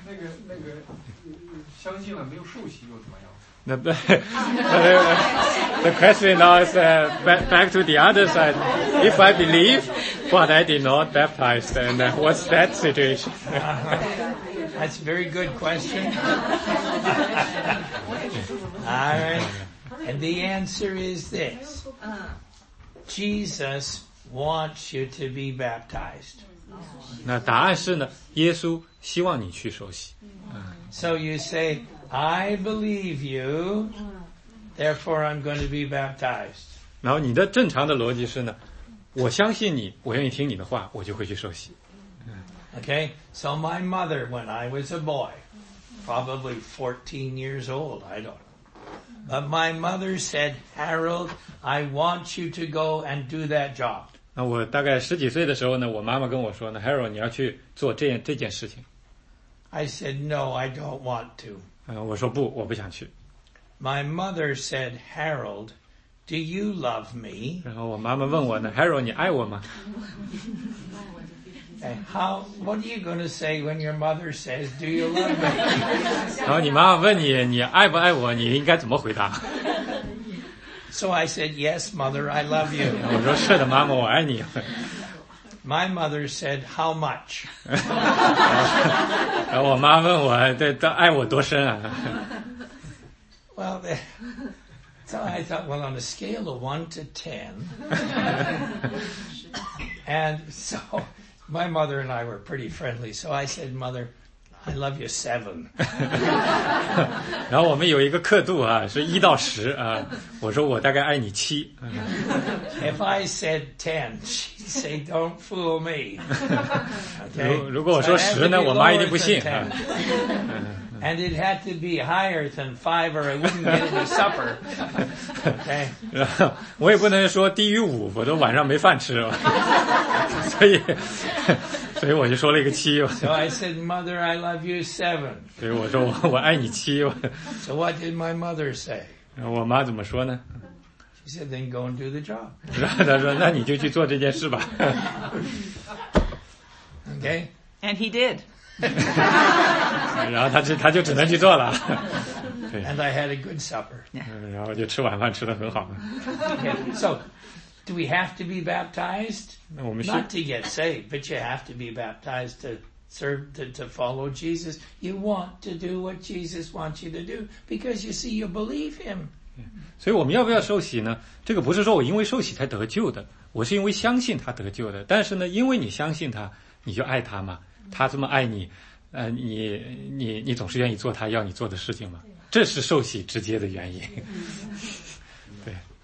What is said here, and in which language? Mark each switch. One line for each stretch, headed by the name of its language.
Chinese: 那个相信了没有受洗又怎么样？
English: The question now is back to the other side. If I believe, but I did not baptize, then what's that situation? That's a very good question. All right. And the answer is this. Jesus wants you to be baptized.
Chinese: 那答案是呢，耶稣希望你去受洗。
English: So you say, I believe you, therefore I'm going to be baptized.
Chinese: 然后你的正常的逻辑是呢，我相信你，我愿意听你的话，我就会去受洗。
English: Okay, so my mother, when I was a boy, probably 14 years old, I don't know. But my mother said, Harold, I want you to go and do that job.
Chinese: 那我大概十几岁的时候呢，我妈妈跟我说呢 ，Harold， 你要去做这件事情。
English: I said, no, I don't want to.
Chinese: 我说不，我不想去。
English: My mother said, Harold, do you love me?
Chinese: 然后我妈妈问我呢 ，Harold， 你爱我吗？
English: How, what are you going to say when your mother says, do you love me?
Chinese: 然后你妈妈问你，你爱不爱我，你应该怎么回答？
English: So I said, yes, mother, I love you.
Chinese: 我说是的，妈妈，我爱你。
English: My mother said, how much?
Chinese: 然后我妈问我，对，爱我多深啊？
English: Well, so I thought, well, on a scale of 1 to 10, and so... My mother and I were pretty friendly, so I said, Mother, I love you 7.
Chinese: 然后我们有一个刻度啊，是1到10啊。我说我大概爱你7。
English: If I said 10, she'd say, don't fool me. Okay?
Chinese: 如果我说10呢，我妈一定不信。
English: And it had to be higher than 5 or I wouldn't get any supper. Okay?
Chinese: 我也不能说低于5，我都晚上没饭吃了。所以我就说了一个7。
English: So I said, Mother, I love you 7.
Chinese: 对，我说我爱你7。
English: So what did my mother say?
Chinese: 然后我妈怎么说呢？
English: She said, then go and do the job.
Chinese: 然后她说，那你就去做这件事吧。
English: Okay? And he did.
Chinese: 然后他就只能去做了。对。
English: And I had a good supper.
Chinese: 然后就吃晚饭吃得很好。
English: Okay, so, do we have to be baptized? Not to get saved, but you have to be baptized to serve, to follow Jesus. You want to do what Jesus wants you to do because you see, you believe him.
Chinese: 所以我们要不要受洗呢？这个不是说我因为受洗才得救的，我是因为相信他得救的。但是呢，因为你相信他，你就爱他嘛。他这么爱你，你总是愿意做他要你做的事情吗？这是受洗直接的原因。对。